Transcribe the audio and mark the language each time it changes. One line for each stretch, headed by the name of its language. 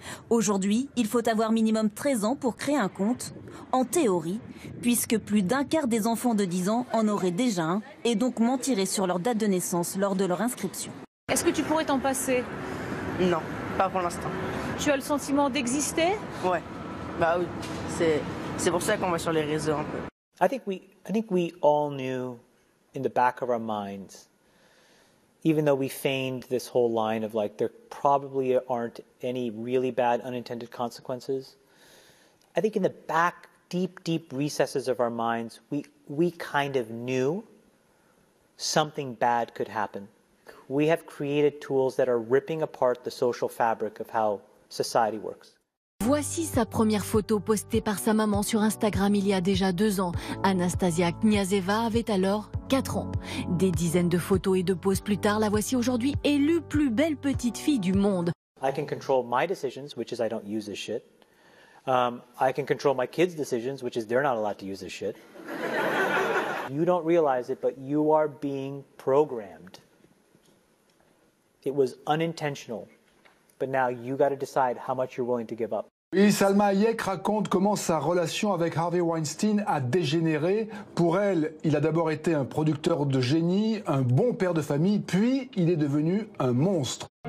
French: Aujourd'hui, il faut avoir minimum 13 ans pour créer un compte, en théorie, puisque plus d'un quart des enfants de 10 ans en auraient déjà un et donc mentiraient sur leur date de naissance lors de leur inscription. Est-ce que tu pourrais t'en passer ? Non, pas pour l'instant. Tu as le sentiment d'exister ? Ouais, bah oui, c'est pour ça qu'on va sur les réseaux un peu.
English: I think we all knew in the back of our minds, even though we feigned this whole line of like there probably aren't any really bad unintended consequences, I think in the back, deep recesses of our minds, we kind of knew something bad could happen. We have created tools that are ripping apart the social fabric of how society works.
French: Voici sa première photo postée par sa maman sur Instagram il y a déjà 2 ans. Anastasia Kniazeva avait alors 4 ans. Des dizaines de photos et de poses plus tard, la voici aujourd'hui élue plus belle petite fille du monde.
English: I can control my decisions, which is I don't use this shit. I can control my kids' decisions, which is they're not allowed to use this shit. You don't realize it, but you are being programmed. It was unintentional. But now you got to decide how much you're willing to give up.
French: Oui, Salma Hayek raconte comment sa relation avec Harvey Weinstein a dégénéré. Pour elle, il a d'abord été un producteur de génie, un bon père de famille, puis il est devenu un monstre.